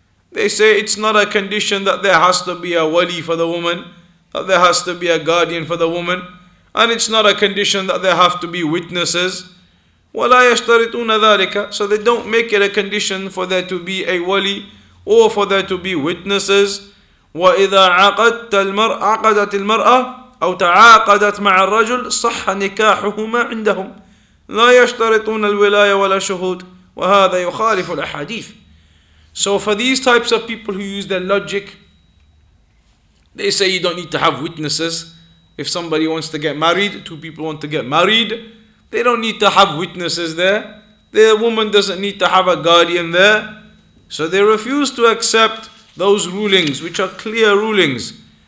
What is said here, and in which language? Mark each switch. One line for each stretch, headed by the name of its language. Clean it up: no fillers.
English: They say, it's not a condition that there has to be a wali for the woman, that there has to be a guardian for the woman. And it's not a condition that there have to be witnesses.
Arabic: وَلَا يَشْتَرِطُونَ ذَلِكَ.
English: So they don't make it a condition for there to be a wali or for there to be witnesses.
Arabic: وَإِذَا عَقَدَتِ الْمَرْأَةِ أو تعاقدت مع الرجل صح نكاحهما عندهم لا يشترطون الولاية ولا شهود وهذا يخالف الأحاديث.
English: So for these types of people who use their logic, they say you don't need to have witnesses. If somebody wants to get married, two people want to get married, they don't need to have witnesses there. The woman doesn't need to have a guardian there. So they refuse to accept those rulings, which are clear rulings.